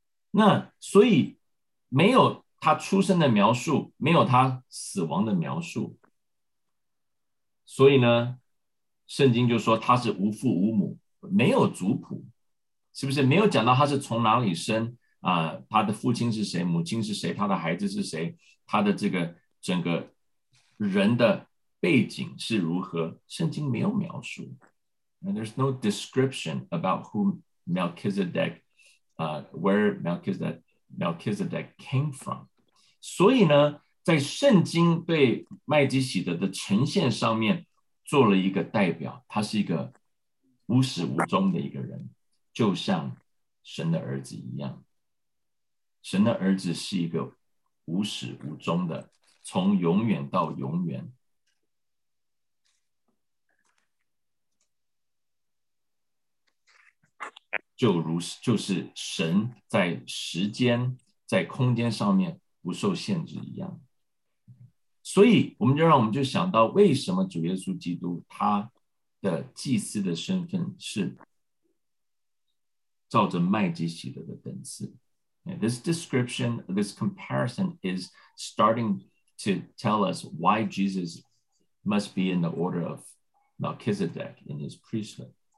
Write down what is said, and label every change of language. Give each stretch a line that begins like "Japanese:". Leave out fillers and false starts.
Chinese: 那所以没有他出生的描述，没有他死亡的描述，所以呢圣经就说他是无父无母，没有族谱，是不是？没有讲到他是从哪里生，他的父亲是谁，母亲是谁，他的孩子是谁，他的这个整个人的背景是如何，圣经没有描述。
English: And there's no description about who Melchizedek, where Melchizedek came from.
Chinese: 所以呢，在圣经被麦基洗德的呈现上面做了一个代表，他是一个无始无终的一个人，就像神的儿子一样。神的儿子是一个无始无终的，从永远到永远。就是神在时间在空间上面不受限制一样。所以我们就想到，为什么主耶稣基督他的祭司的身份是照着麦基洗德的等次。
English: This description, this comparison is starting to tell us why Jesus must be in the order of Melchizedek in his priesthood.